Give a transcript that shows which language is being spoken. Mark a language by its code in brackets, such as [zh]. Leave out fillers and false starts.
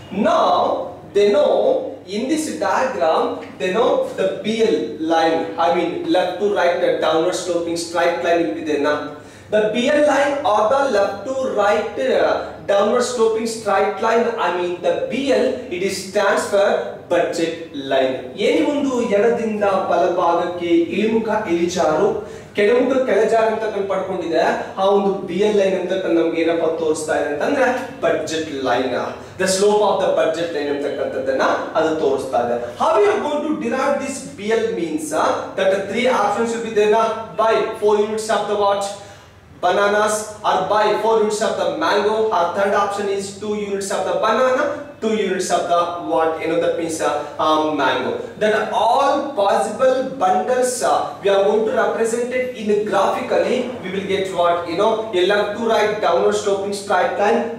[en] Now they know in this diagram, they know the BL line, I mean left to right, the downward sloping straight line will be there na. The BL line or the left to right downward sloping straight line, I mean the BL, it is stands for budget line. [kn] ಏನಿ ಒಂದು ಎಡದಿಂದ ಬಲಭಾಗಕ್ಕೆ ಇಳಿಮುಖ ಇಳಿಜಾರು ಕೆಳಮುಖ ಕೆಳಜಾರು ಅಂತ ಕಂಡು ಪಡ್ಕೊಂಡಿದೆ, ಆ ಒಂದು BL line ಅಂತಕ್ಕಂಥ ನಮ್ಗೆ ಏನಪ್ಪ ತೋರಿಸ್ತಾ ಇದೆ ಅಂತಂದ್ರೆ budget line, [en] the slope of the budget line [kn] ಅಂತಕ್ಕಂಥದ್ದನ್ನ ಅದು ತೋರಿಸ್ತಾ ಇದೆ. [en] How you are going to derive this BL means that 3 options by 4 units of the watch bananas are by 4 units of the mango. Our third option is 2 units of the banana, 2 units of the what, you know, that means mango. That all possible bundles we are going to represent it in graphically. We will get what, you know, a left to right downward sloping straight line.